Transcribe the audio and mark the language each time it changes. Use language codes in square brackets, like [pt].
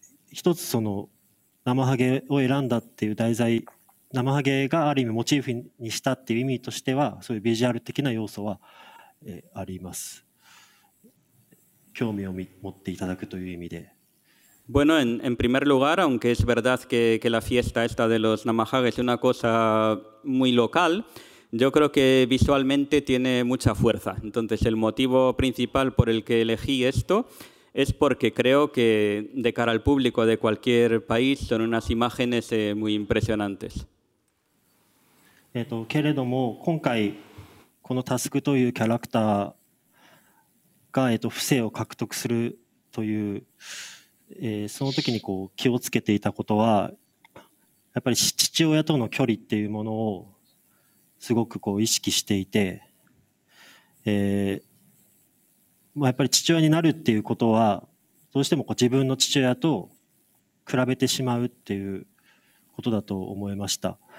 [ja] 一つその生ハゲを選んだっていう題材、生ハゲがある意味モチーフにしたっていう意味としては、そういうビジュアル的な要素はあります。興味を持っていただくという意味で。 [es] Bueno, en primer lugar, aunque es verdad que la fiesta esta de los Namahage es una cosa muy local, yo creo que visualmente tiene mucha fuerza. Entonces, el motivo principal por el que elegí esto es porque creo que de cara al público de cualquier país son unas imágenes muy impresionantes. [ja] けれども今回このタスクというキャラクターが不正を獲得するという、その時にこう気をつけていたことはやっぱり父親との距離っていうものをすごくこう意識していて、やっぱり父親になるっていうことはどうしてもこう自分の父親と比べてしまうっていうことだと思いました。